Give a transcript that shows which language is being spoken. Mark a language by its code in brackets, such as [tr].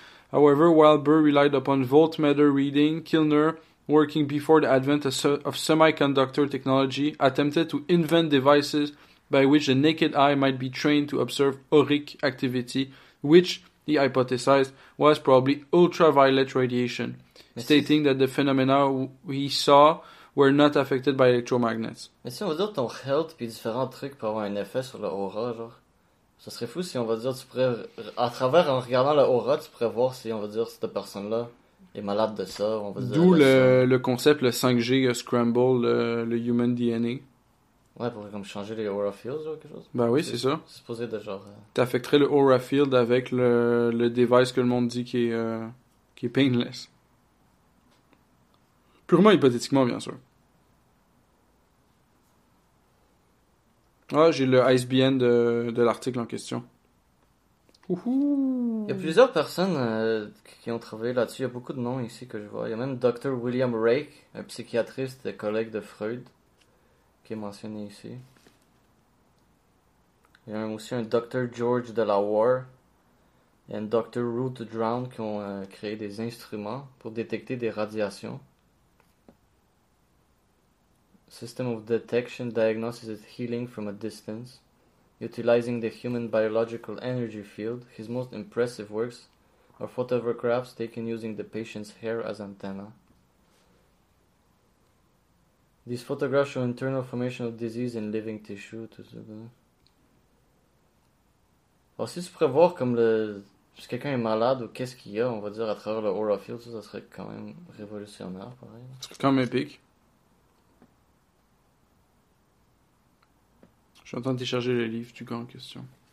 [en] However, while Burr relied upon voltmeter reading, Kilner, working before the advent of semiconductor technology, attempted to invent devices by which the naked eye might be trained to observe auric activity, which, he hypothesized, was probably ultraviolet radiation, stating that the phenomena he saw were not affected by electromagnets. [fr] Mais si on veut dire ton health puis différents trucs pour avoir un effet sur l'aura, genre, Ça serait fou si, on va dire, tu pourrais, à travers, en regardant le aura, tu pourrais voir si, on va dire, cette personne-là est malade de ça, on va dire. D'où le concept, le 5G, Scramble, le Human DNA. Ouais, pour comme changer les aura fields ou quelque chose. Ben oui, c'est ça. C'est supposé de genre... T'affecterais le aura field avec le device que le monde dit qui est painless. Purement hypothétiquement, bien sûr. Ah, j'ai le ISBN de l'article en question. Ouhou. Il y a plusieurs personnes qui ont travaillé là-dessus. Il y a beaucoup de noms ici que je vois. Il y a même Dr. William Rake, un psychiatriste et collègue de Freud, qui est mentionné ici. Il y a même aussi un Dr. George Delawar et un Dr. Ruth Drown qui ont créé des instruments pour détecter des radiations. [en] System of detection, diagnosis, and healing from a distance, utilizing the human biological energy field. His most impressive works are photographs taken using the patient's hair as antenna. These photographs show internal formation of disease in living tissue. [fr] Alors, si tu pourrais voir comme le si quelqu'un est malade ou qu'est-ce qu'il y a, on va dire à travers le aura field, ça serait quand même révolutionnaire, pareil. C'est quand même épique. Je suis en train de télécharger le livre du gars en question.